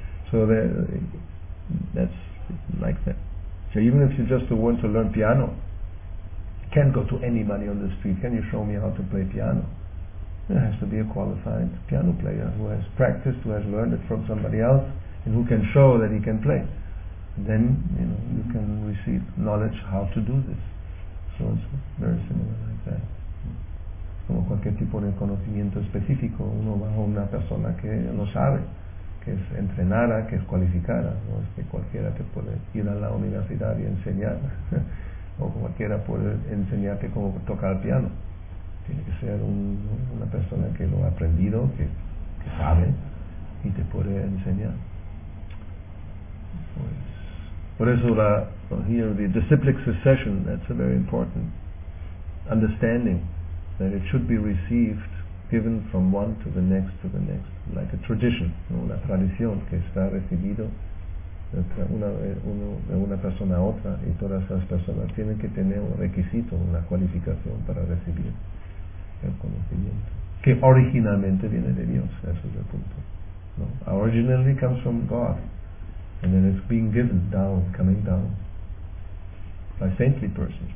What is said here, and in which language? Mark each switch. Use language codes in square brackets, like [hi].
[en] So that's like that. So even if you just want to learn piano, you can't go to anybody on the street. Can you show me how to play piano? There has to be a qualified piano player who has practiced, who has learned it from somebody else, and who can show that he can play. Then, you know, you can receive knowledge how to do this. So it's very similar like that. [es] Como cualquier tipo de conocimiento específico, uno va a una persona que lo sabe, que es entrenada, que es cualificada. No es que cualquiera te puede ir a la universidad y enseñar, o cualquiera puede enseñarte cómo tocar el piano. Tiene que ser una persona que lo ha aprendido, que sabe y te puede enseñar. Pues, por eso [en] the disciplic succession, that's a very important understanding, that it should be received, given from one to the next, like a tradition, ¿no? [es] La tradición que está recibido de una persona a otra, y todas esas personas tienen que tener un requisito, una cualificación para recibir el conocimiento que originalmente viene de Dios. Ese es el punto, ¿no? [en] Originally comes from God, and then it's being given down, coming down by saintly persons.